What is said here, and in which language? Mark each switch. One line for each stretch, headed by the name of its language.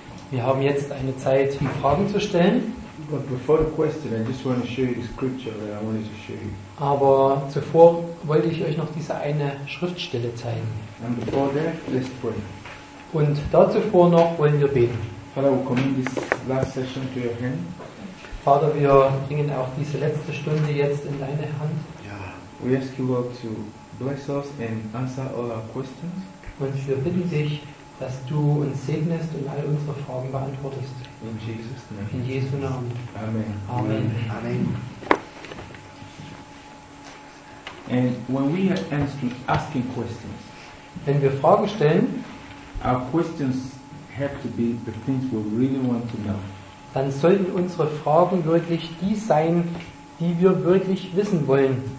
German: Wir haben jetzt eine Zeit, um Fragen zu stellen.
English: But before the question, I just want to show you the scripture that I wanted to show you.
German: Aber zuvor wollte ich euch noch diese eine Schriftstelle zeigen.
English: And before that, let's pray.
German: Und dazu vor noch wollen wir beten.
English: Father, we commend this last session to your hand.
German: Vater, wir bringen auch diese letzte Stunde jetzt in deine Hand. Yeah.
English: We ask you, Lord, to bless us and answer all our questions.
German: Und wir bitten dich, dass du uns segnest und all unsere Fragen beantwortest.
English: In Jesus' name.
German: In Jesu Namen. Amen. Amen. Amen.
English: And when we are asking questions,
German: wenn wir Fragen stellen,
English: our questions have to be the things we really want to know.
German: Dann sollten unsere Fragen wirklich die sein, die wir wirklich wissen wollen.